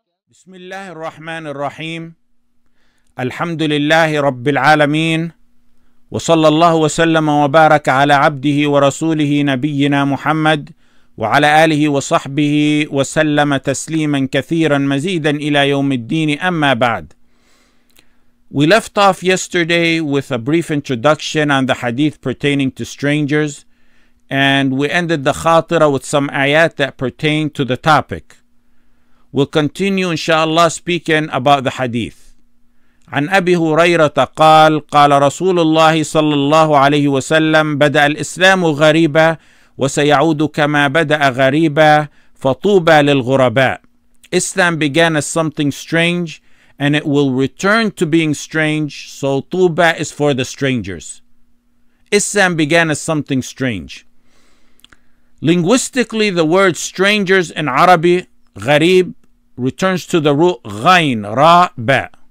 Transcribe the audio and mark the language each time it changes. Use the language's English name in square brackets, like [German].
[Arabic] بسم الله الرحمن الرحيم. الحمد لله رب العالمين، وصلى الله وسلم وبارك على عبده ورسوله نبينا محمد وعلى آله وصحبه وسلم تسليما كثيرا مزيدا إلى يوم الدين. أما بعد، [English] we left off yesterday with a brief introduction on the hadith pertaining to strangers, and we ended the khatira with some ayat that pertain to the topic. We'll continue inshallah speaking about the hadith. [Arabic] عن أبي هريرة قال قال رسول الله صلى الله عليه وسلم بدأ الإسلام غريبا وسيعود كما بدأ غريبا فطوبى للغرباء. [English] Islam began as something strange and it will return to being strange, so طوبى is for the strangers. Islam began as something strange. Linguistically, the word strangers in Arabic, غريب, returns to the root غين, را, باء.